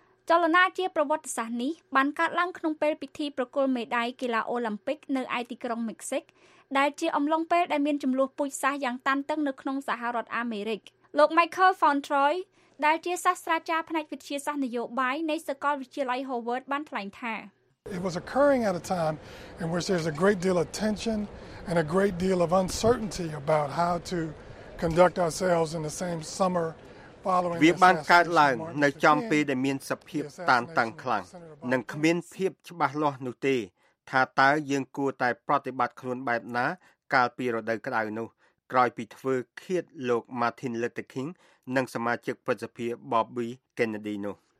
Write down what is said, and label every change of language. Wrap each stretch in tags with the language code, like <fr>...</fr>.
<km>ចលនាជាប្រវត្តិសាស្ត្រនេះបានកើតឡើងក្នុងពេលពិធីប្រគល់មេដាយកីឡាអូឡាំពិកនៅឯទីក្រុងមិចស៊ិកដែលជាអំឡុងពេលដែលមានចំនួនពូជសាសន៍យ៉ាងតានតឹងនៅក្នុងសហរដ្ឋអាមេរិកលោក Michael Fontroy ដែលជាសាស្ត្រាចារ្យផ្នែកវិទ្យាសាស្ត្រនយោបាយនៃសាកលវិទ្យាល័យ Harvard បានថ្លែងថា</km> <en>It was occurring at a time in which there's a great deal of tension and a great deal of uncertainty about how to conduct ourselves in the same summer following</en> <km>វាបានកើតឡើងនៅចំពេលដែលមានសភាពតានតឹងខ្លាំងនិងគ្មានភាពច្បាស់លាស់នោះទេថាតើយើងគួរតែប្រតិបត្តិខ្លួនបែបណាកាលពីរដូវក្តៅនោះក្រោយពីធ្វើឃាតលោក Martin Luther King និងសមាជិកព្រឹទ្ធសភា Bobby Kennedy នោះ</km>